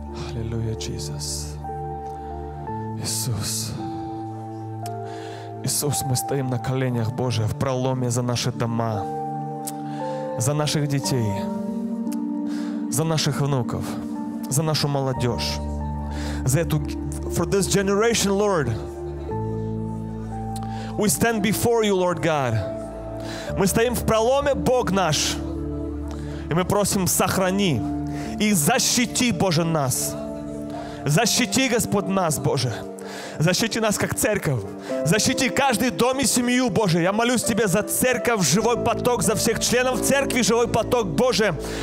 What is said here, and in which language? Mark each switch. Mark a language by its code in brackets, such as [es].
[ru] Аллилуйя, Иисус. Иисус. Иисус, мы стоим на коленях, Боже, в проломе за наши дома, за наших детей, за наших внуков, за нашу молодежь, за эту... [en] For this generation, Lord, we stand before you, Lord God. [ru] Мы стоим в проломе, Бог наш, и мы просим, сохрани и защити, Боже, нас. Защити, Господь, нас, Боже. Защити нас как церковь. Защити каждый дом и семью, Боже. Я молюсь Тебе за церковь, живой поток, за всех членов церкви, живой поток, Боже.